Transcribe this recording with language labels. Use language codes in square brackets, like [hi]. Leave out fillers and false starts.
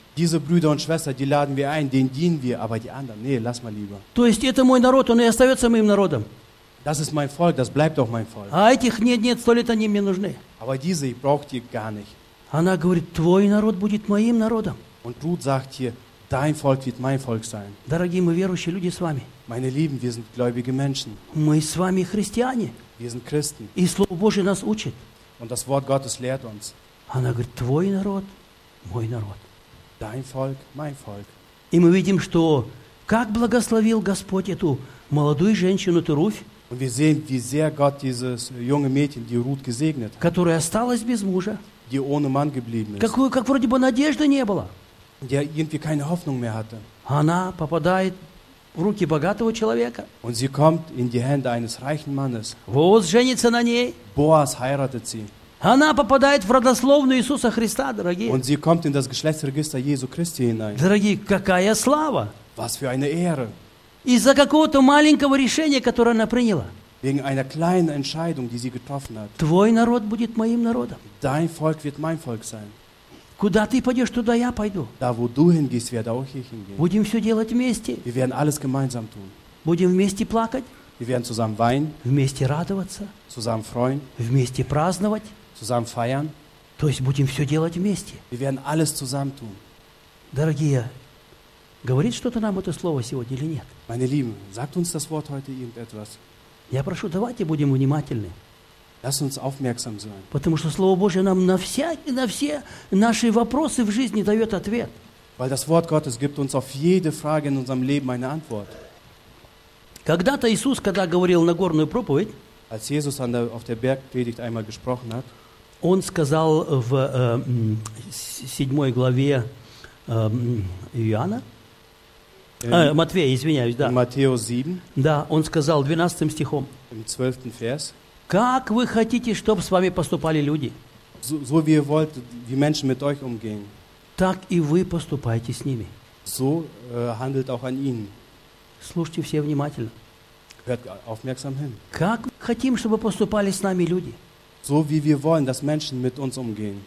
[de] Diese Brüder und Schwestern, die laden wir ein, denen dienen wir, aber die anderen, nee, lass mal lieber. [ru] То есть это мой народ, он и остается моим народом. [de] Das ist mein Volk, das bleibt auch mein Volk. [ru] А этих, нет, 100 лет они мне нужны. [de] Aber diese, ich brauche die gar nicht. [ru] Она говорит, твой народ будет моим народом. [de] Und Ruth sagt hier, dein Volk wird mein Volk sein. [ru] Дорогие мы верующие люди с вами. [de] Meine Lieben, wir sind gläubige Menschen. [ru] Мы с вами христиане. [de] Wir sind Christen. [ru] И Слово Божие нас учит. [de] Und das Wort Gottes lehrt uns. [ru] Она говорит, твой народ, мой народ. [de] Dein Volk, mein Volk. [ru] И мы видим, что как благословил Господь эту молодую женщину, эту Руфь. [de] Und wir sehen, wie sehr Gott dieses junge Mädchen, die Ruth, gesegnet hat. [ru] Которая осталась без мужа. [de] Die ohne Mann geblieben ist. [ru] Как вроде бы надежды не было. [de] Die irgendwie keine Hoffnung mehr hatte. [ru] Она попадает в руки богатого человека. [de] Und sie kommt in die Hände eines reichen Mannes. [ru] Boaz женится на ней. [de] Boaz heiratet sie. [ru] Она попадает в родословную Иисуса Христа, дорогие. [de] Und sie kommt in das Geschlechtsregister Jesu Christi hinein. [ru] Дорогие, какая слава! [de] Was für eine Ehre! [ru] Из-за какого-то маленького решения, которое она приняла. [de] Wegen einer kleinen Entscheidung, die sie getroffen hat. [ru] Твой народ будет моим народом. [de] Dein Volk wird mein Volk sein. [ru] Куда ты пойдешь, туда я пойду. [de] Da, wo du hingehst, werde auch ich hingehen. [ru] Будем все делать вместе. [de] Wir werden alles gemeinsam tun. [ru] Будем вместе плакать. [de] Wir werden zusammen weinen. [ru] Вместе радоваться. [de] Zusammen freuen. [ru] Вместе праздновать. [de] Zusammen feiern. [ru] То есть будем все делать вместе. [de] Wir werden alles zusammen tun. [ru] Дорогие, говорит что-то нам это слово сегодня или нет? [de] Meine Lieben, sagt uns das Wort heute irgendetwas? [ru] Я прошу, давайте будем внимательны. [de] Lass uns aufmerksam sein. [ru] Потому что Слово Божие нам на все наши вопросы в жизни дает ответ. [de] Weil das Wort Gottes gibt uns auf jede Frage in unserem Leben eine Antwort. [ru] Когда-то Иисус, когда говорил Нагорную проповедь, [de] als Jesus an der, auf der Bergpredigt einmal gesprochen hat, [ru] он сказал в 7 главе Иоанна, Матвея, извиняюсь, да. Матфея 7. Да, он сказал 12 стихом. [de] Im 12. Vers. [ru] Как вы хотите, чтобы с вами поступали люди? [de] So wie ihr wollt, wie Menschen mit euch umgehen. [ru] Так и вы поступайте с ними. [de] So handelt auch an ihnen. [ru] Слушайте все внимательно. [de] Hört aufmerksam hin. [ru] Как мы хотим, чтобы поступали с нами люди? [de] So wie wir wollen, dass Menschen mit uns umgehen.